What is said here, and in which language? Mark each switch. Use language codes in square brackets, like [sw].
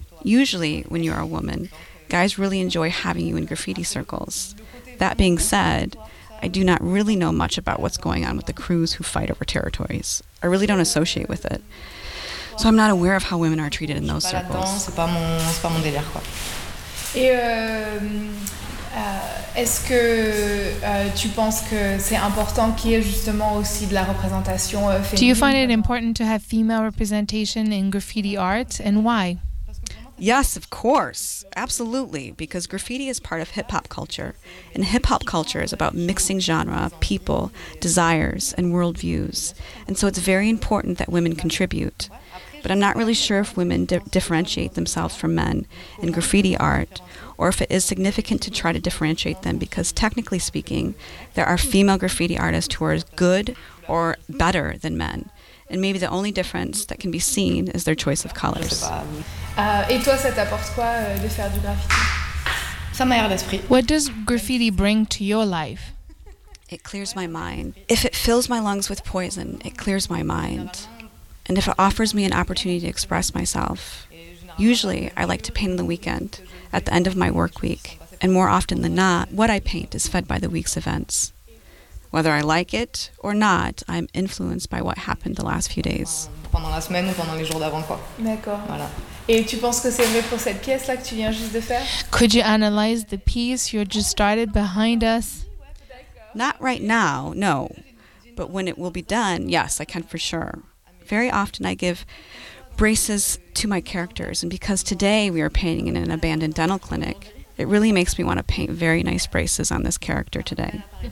[en] Usually, when you are a woman, guys really enjoy having you in graffiti circles. That being said, I do not really know much about what's going on with the crews who fight over territories. I really don't associate with it. So I'm not aware of how women are treated in those circles. [fr] C'est pas mon délire, quoi. Et est-ce que tu penses que c'est important qu'il y ait justement aussi de la représentation féminine? [en] Do you find it important to have female representation in graffiti art, and why? Yes, of course. Absolutely. Because graffiti is part of hip-hop culture. And hip-hop culture is about mixing genre, people, desires, and worldviews. And so it's very important that women contribute. But I'm not really sure if women differentiate themselves from men in graffiti art, or if it is significant to try to differentiate them, because technically speaking, there are female graffiti artists who are as good or better than men. And maybe the only difference that can be seen is their choice of colors. [fr] Et toi, ça t'apporte quoi de faire du graffiti? Ça m'aère l'esprit. [en] What does graffiti bring to your life? It clears my mind. If it fills my lungs with poison, it clears my mind. And if it offers me an opportunity to express myself, usually I like to paint on the weekend, at the end of my work week. And more often than not, what I paint is fed by the week's events. Whether I like it or not, I'm influenced by what happened the last few days. [fr] Pendant la semaine ou pendant les jours d'avant, quoi. D'accord. Voilà. Et tu penses que c'est mieux pour cette pièce-là que tu viens juste de faire? [en] Could you analyze the piece you just started behind us? Not right now, no. But when it will be done, yes, I can for sure. Very often I give braces to my characters, and because today we are painting in an abandoned dental clinic, it really makes me want to paint very nice braces on this character today.